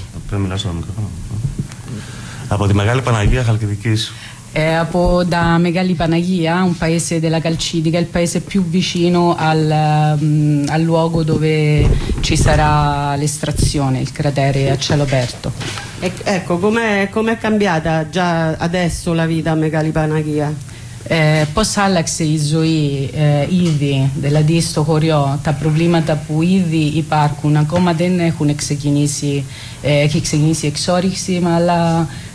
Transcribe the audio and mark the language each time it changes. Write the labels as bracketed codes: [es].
[el] Πρέπει να μιλάω στο μικρόφωνο. Από τη Μεγάλη Παναγία Χαλκιδικής. [it] Από τα Μεγάλη Παναγία, un paese della Calcidica, il paese più vicino al luogo dove ci sarà l'estrazione, il cratere a cielo aperto. Ecco, com'è cambiata già adesso la vita a Μεγάλη Παναγία? [el] Πώς άλλαξε η ζωή ήδη, δηλαδή στο χωριό, τα προβλήματα που ήδη υπάρχουν, ακόμα δεν έχουν ξεκινήσει, έχει ξεκινήσει η εξόρυξη, αλλά